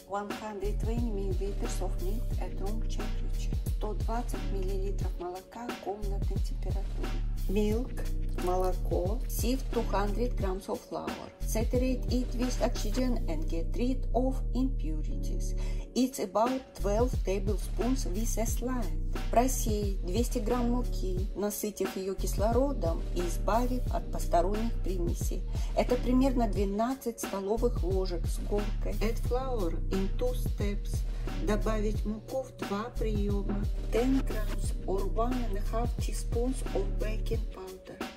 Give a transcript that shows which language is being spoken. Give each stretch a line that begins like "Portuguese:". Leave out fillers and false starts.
English: 120 миллилитров of meat at room temperature.
Russian: 120 миллилитров молока комнатной температуры.
English: Milk, молоко. Sift 200 grams of flour. Saturate it with oxygen and get rid of impurities. It's about 12 tablespoons with a slide.
Russian: Просеять 200 грамм муки, насытив ее кислородом и избавив от посторонних примесей. Это примерно 12 столовых ложек с горкой.
English: Add flour in 2 steps.
Russian: Добавить муку в 2 приема.
English: 10 grams or 1.5 teaspoons of baking powder.